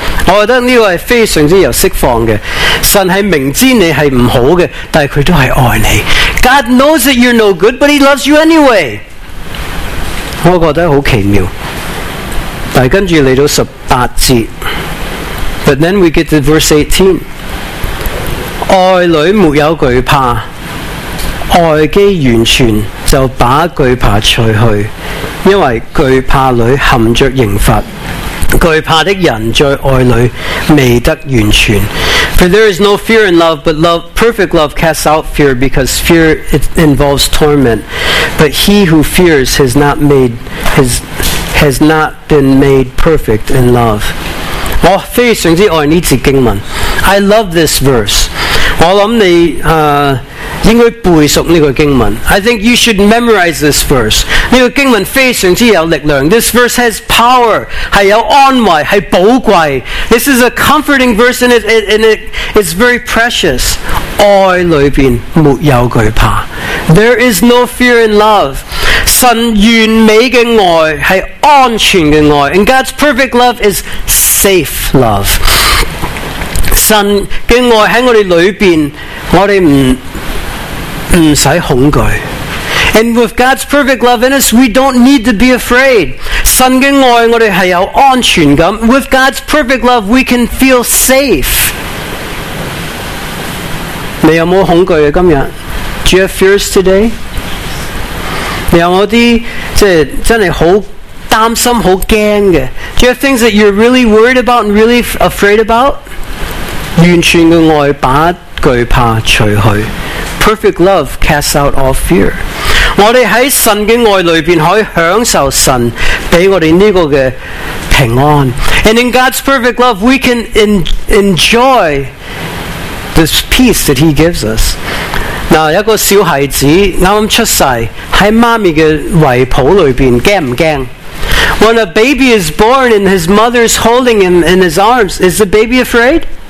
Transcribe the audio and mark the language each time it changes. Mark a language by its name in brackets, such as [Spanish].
[Chinese] 我觉得这是非常有释放的,神是明知你是不好的,但祂都是爱你。 [English] God knows that you're no good, but he loves you anyway. [Chinese] 我觉得很奇妙,但接着来到18节, [English] but then we get to verse 18. [Chinese] 爱里没有惧怕, 爱既完全就把惧怕除去, 因为惧怕里含着刑罚, 惧怕的人在爱里未得完全。 [English] For there is no fear in love, but love, perfect love casts out fear, because fear it involves torment. But he who fears has not been made perfect in love. [Chinese] 我非常之爱这节经文。 [English] I love this verse. [Chinese] 我想你, 应该背熟这个经文。 [English] I think you should memorize this verse. [Chinese] 这个经文非常之有力量。 [English] This verse has power, [Chinese] 是有安慰，是宝贵。 [English] This is a comforting verse and it's very precious. [Chinese] 爱里面没有惧怕。 [English] There is no fear in love. [Chinese] 神完美的爱是安全的爱。 [English] And God's perfect love is safe love. [Chinese] 神的爱在我们里面，我们不用恐惧。 [English] And with God's perfect love in us, we don't need to be afraid. [Chinese] 神的爱我们是有安全感。 [English] With God's perfect love, we can feel safe. [Chinese] 你有没有恐惧的今天？ [English] Do you have fears today? [Chinese] 你有没有一些真的很担心、很惊的？ [English] Do you have things that you're really worried about and really afraid about? [Chinese] 完全的爱把惧怕除去。 [English] Perfect love casts out all fear. [Chinese] 我们在神的爱里面可以享受神给我们这个的平安。 [English] And in God's perfect love, we can enjoy this peace that He gives us. [Chinese] 那一个小孩子刚刚出世，在妈咪的怀抱里面，怕不怕？ [English] When a baby is born and his mother is holding him in his arms, is the baby afraid?